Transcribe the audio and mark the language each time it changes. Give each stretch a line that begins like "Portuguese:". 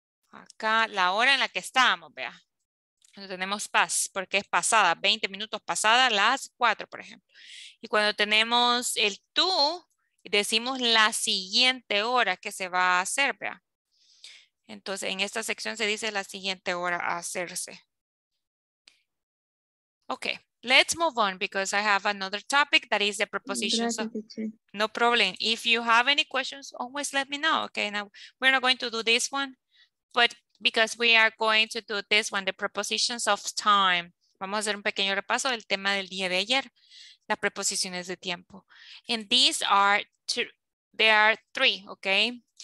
Spanish: Acá, la hora en la que estábamos, vea. Cuando tenemos past, porque es pasada, 20 minutos pasada, las 4, por ejemplo. Y cuando tenemos el to, decimos la siguiente hora que se va a hacer, vea. Entonces, en esta sección se dice la siguiente hora a hacerse.
English: Ok, let's move on because I have another topic that is the preposition. So, no problem. If you have any questions, always let me know. Okay, now we're not going to do this one, but... Because we are going to do this one, the prepositions of time.
Spanish: Vamos a hacer un pequeño repaso del tema del día de ayer, las preposiciones de tiempo.
English: And these are two, there are three, okay?